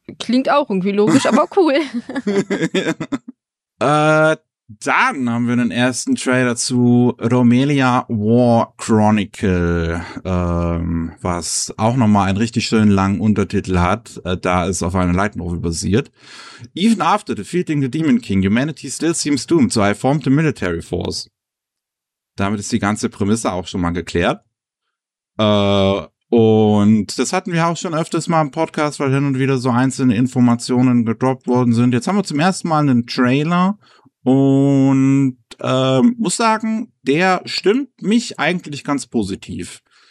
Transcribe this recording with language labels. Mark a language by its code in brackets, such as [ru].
[de] Klingt auch irgendwie logisch, aber cool. Dann haben wir einen ersten Trailer zu Romelia War Chronicle, was auch nochmal einen richtig schönen langen Untertitel hat, da es auf einer Light Novel basiert. [en] Even after defeating the Demon King, humanity still seems doomed, so I formed the military force. [de] Damit ist die ganze Prämisse auch schon mal geklärt. Und das hatten wir auch schon öfters mal im Podcast, weil hin und wieder so einzelne Informationen gedroppt worden sind. Jetzt haben wir zum ersten Mal einen Trailer. Und muss sagen, der stimmt mich eigentlich ganz positiv.